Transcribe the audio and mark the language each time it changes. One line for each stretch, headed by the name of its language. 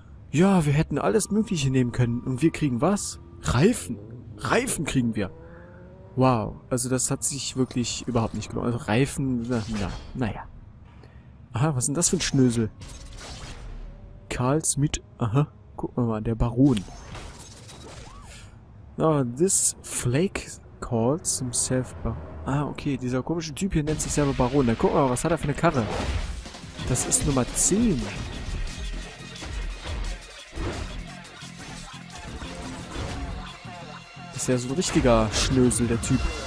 German: Ja, wir hätten alles Mögliche nehmen können und wir kriegen was? Reifen. Reifen kriegen wir. Wow, also das hat sich wirklich überhaupt nicht gelohnt. Also Reifen, naja. Aha, was ist denn das für ein Schnösel? Karl Schmidt, aha. Gucken wir mal, der Baron.
English: Oh, this Flake calls himself Baron.
German: Ah, okay, dieser komische Typ hier nennt sich selber Baron. Dann gucken wir mal, was hat er für eine Karre? Das ist Nummer 10. Ist ja so ein richtiger Schnösel, der Typ.